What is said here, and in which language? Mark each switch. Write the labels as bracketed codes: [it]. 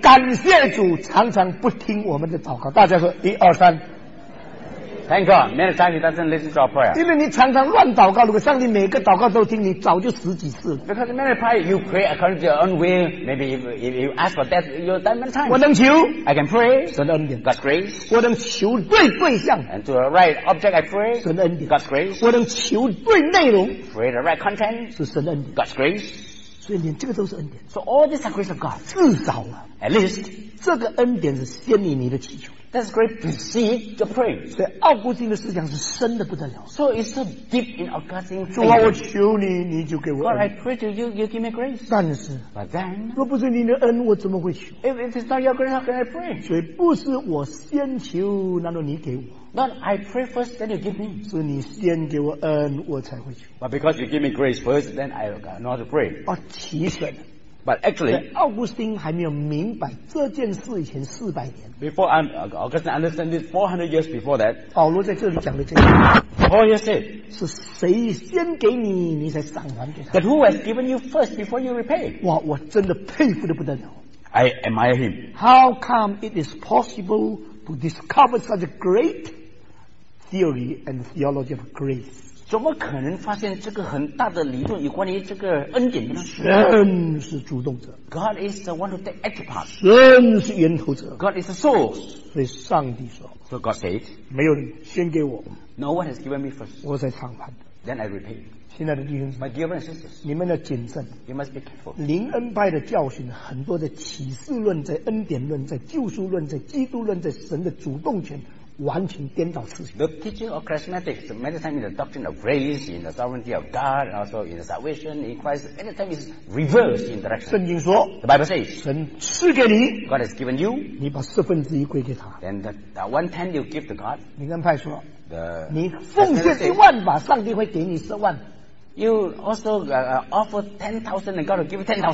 [zh] 感谢主常常不听我们的祷告。大家说一二三。 [en] Thank God, many times he doesn't listen to our prayer. [zh] 因为你常常乱祷告，如果上帝每个祷告都听，你早就死几次了。 [en] Because many times you pray according to your own will, maybe if you ask for death, you'll die many times. [zh] 我能求。 [en] I can pray. [zh] 神的恩典。 [en] God's grace. [zh] 我能求对对象。 [en] And to the right object I pray. [zh] 神的恩典。 [en] God's grace. [zh] 我能求对内容。 [en] Pray the right content. [zh] 是神的恩典。 [en] God's grace. [zh] 所以连这个都是恩典。 [en] So all these are grace of God. [zh] 至少啊 [en] ，at least， [zh] 这个恩典是先于你的祈求。 [en] That's great to see the prayer. [zh] 所以奥古斯丁的思想是深的不得了。 [en] So it's so deep in Augustine's. [zh] 主啊，我求你，你就给我恩。 [en] God, I pray to you, you give me grace. [zh] 但是 [en] ，But then， [zh] 若不是你的恩，我怎么会求 [en] ？If it's not your grace, how can I pray？ [zh] 所以不是我先求，难道你给我 [en] ？But I pray first, then you give me. [zh] 是你先给我恩，我才会求。 [en] But because you give me grace first, then I know how to pray. [zh] 啊，其实。 [en] But actually, [zh] 奥古斯丁还没有明白这件事以前四百年。 [en] Before Augustine understand this 400 years before that, [zh] 保罗在这里讲的这个 [en] Paul here said, [zh] 是谁先给你，你才赏还给他。 [en] That who has given you first before you repay? [zh] 哇，我真的佩服得不得了。 [en] I admire him. How come it is possible to discover such a great theory and theology of grace? [zh] 怎么可能发现这个很大的理论有关于这个恩典呢？神是主动者。 [en] God is the one who takes active part. [zh] 神是源头者。 [en] God is the source. [zh] 所以上帝说。 [en] So God said. [zh] 没有人先给我。 [en] No one has given me first. [zh] 我才偿还。 [en] Then I repay. [zh] 亲爱的弟兄姊妹。 [en] My dear brothers and sisters. [zh] 你们要谨慎。 [en] You must be careful. [zh] 灵恩派的教训很多的启示论在恩典论在救赎论在基督论在神的主动权。完全颠倒事情。 [en] The teaching of charismatics, many times in the doctrine of grace, in the sovereignty of God, and also in the salvation in Christ, many times is reversed in direction. [zh] 圣经说 [en] ，The Bible says, [zh] 神赐给你 [en] ，God has given you, [zh] 你把四分之一归给他。 [en] Then that one tenth you give to God. [zh] 灵恩派说 ，The 你奉献一万把，上帝会给你十万。 [en] You also offer 10,000 and God will give 10,000.